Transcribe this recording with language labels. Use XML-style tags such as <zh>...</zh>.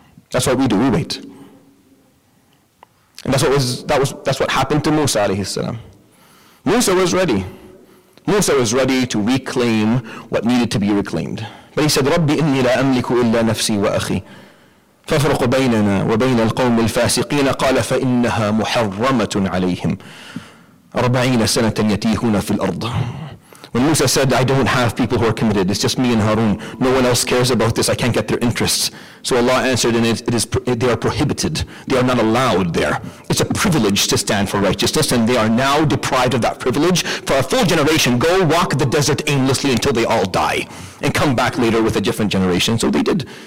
<en>That's what we do, we wait. And that's what happened to Musa alayhi salam. Musa was ready. Musa was ready to reclaim what needed to be reclaimed. But he said,</en> <ar>Rabbi inni la amliku illa nafsi wa akhi. ففرق بيننا وبين القوم الفاسقين قال فإنها محرمة عليهم</ar> <en>40 years</en> <ar>يتيهون في الأرض.</ar> <en>When Musa said, I don't have people who are committed, it's just me and Harun, no one else cares about this, I can't get their interests. So Allah answered, and they are prohibited, they are not allowed there. It's a privilege to stand for righteousness, and they are now deprived of that privilege for a full generation. Go walk the desert aimlessly until they all die, and come back later with a different generation. So they did.</en>